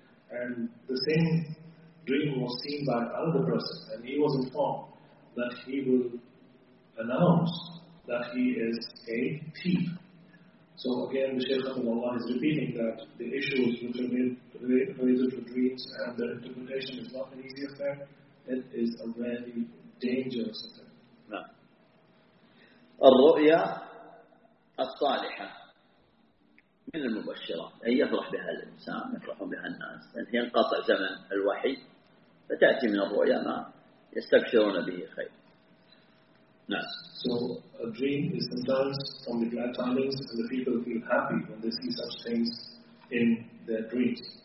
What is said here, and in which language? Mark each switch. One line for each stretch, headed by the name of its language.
English: And the same dream was seen by another person, and he was informed that he will announce that he is a thief. So again, the Shaykh Allah is repeating that the issues which are related to dreams and their interpretation is not an easy affair. It is a very dangerous affair.
Arabic: الرؤيا الصالحة من المبشرات، أن يفرح بها الإنسان، يفرح بها الناس، أن ينقطع زمن الوحي، فتأتي من الرؤيا ما يستبشرون به خير. نعم.
English: So a dream that dream is sometimes from the glad tidings, and the people feel happy when they see such things in their dreams.